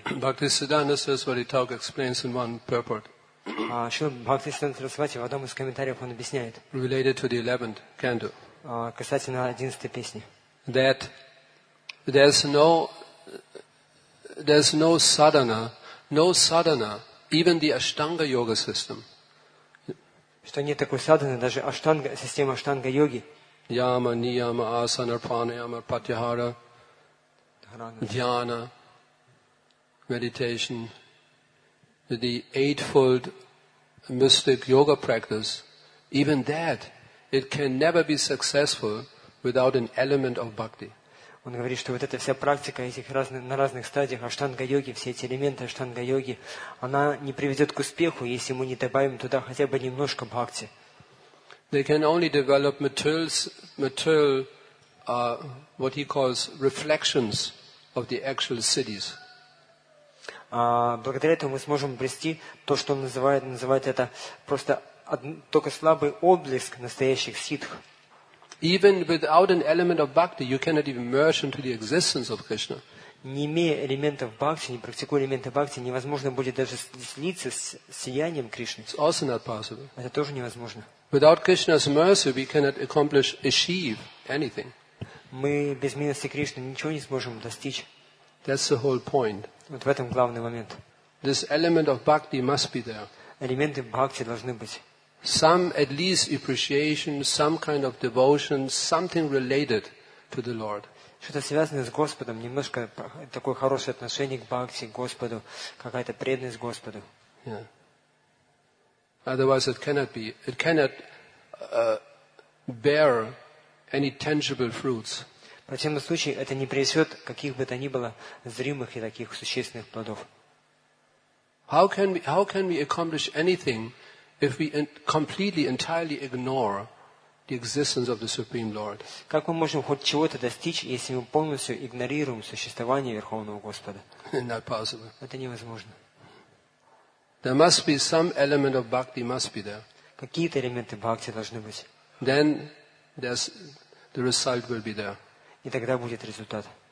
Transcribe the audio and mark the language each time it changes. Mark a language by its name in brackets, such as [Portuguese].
[English] Bhaktisiddhanta Saraswati talk explains in one purport. [Russian] Шрила Бхактисиддханта Сарасвати в одном из комментариев он объясняет. [English] Related to the 11th canto. [Russian] Касательно 11-й песни. [English] That there's no sadhana, no sadhana, even the Ashtanga yoga system. [Russian] Что нет такой садханы, даже Аштанга, система Аштанга йоги. [English] Яма, нияма, асана, пранаяма, пратьяхара, дхьяна, meditation, the eightfold mystic yoga practice, even that, it can never be successful without an element of bhakti. [Russian] Он говорит, что вот эта вся практика этих разных, на разных стадиях аштанга-йоги, все эти элементы аштанга-йоги, она не приведет к успеху, если мы не добавим туда хотя бы немножко бхакти. [English] They can only develop material, what he calls reflections of the actual cities. [Russian] Благодаря этому мы сможем обрести то, что он называет это просто только слабый отблеск настоящих ситх. [English] Even without an element of bhakti, you cannot even merge into the existence of Krishna. [Russian] Не имея элементов бхакти, не практикуя элементы бхакти, невозможно будет даже слиться с сиянием Кришны. [English] It's also not possible. [Russian] Это тоже невозможно. [English] Without Krishna's mercy, we cannot accomplish, achieve anything. [Russian] Мы без милости Кришны ничего не сможем достичь. [English] That's the whole point. [Russian] Вот в этом главный момент. [English] This element of bhakti must be there. [Russian] Элементы бхакти должны быть. [English] Some at least appreciation, some kind of devotion, something related to the Lord. [Russian] Что-то связанное с Господом, немножко такое хорошее отношение к бхакти, к Господу, какая-то преданность Господу. [English] Yeah. Otherwise, it cannot be. It cannot bear any tangible fruits. [Russian] В противном случае, это не принесет каких бы то ни было зримых и таких существенных плодов. [English] How can we accomplish anything if we completely, entirely ignore the existence of the Supreme Lord? [Russian] Как мы можем хоть чего-то достичь, если мы полностью игнорируем существование Верховного Господа? [English] Not possible. [Russian] Это невозможно. [English] There must be some element of bhakti must be there. [Russian] Какие-то элементы бхакти должны быть. [English] Then the result will be there. [Russian] И тогда будет результат.